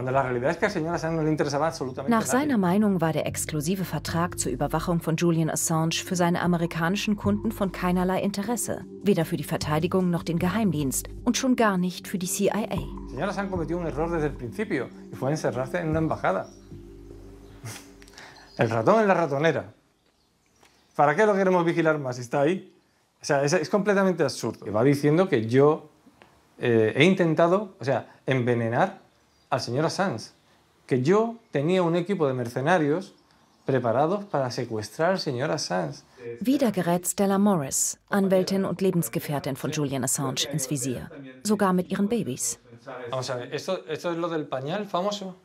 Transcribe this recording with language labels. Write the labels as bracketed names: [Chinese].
[German] Nach seiner Meinung war der exklusive Vertrag zur Überwachung von Julian Assange für seine amerikanischen Kunden von keinerlei Interesse, weder für die Verteidigung noch den Geheimdienst und schon gar nicht für die CIA. [Spanish] Señor Assange cometió un error desde el principio y fue encerrarse en una embajada. El ratón en la ratonera. ¿Para qué lo queremos vigilar más si está ahí? O sea, es completamente absurdo. Va diciendo que yo he intentado, envenenar al señor Assange, que yo tenía un equipo de mercenarios preparados para secuestrar al señor Assange. [German] Wieder gerät Stella Morris, Anwältin und Lebensgefährtin von Julian Assange, ins Visier, sogar mit ihren Babys. [Spanish] Vamos a ver, esto es lo del pañal famoso.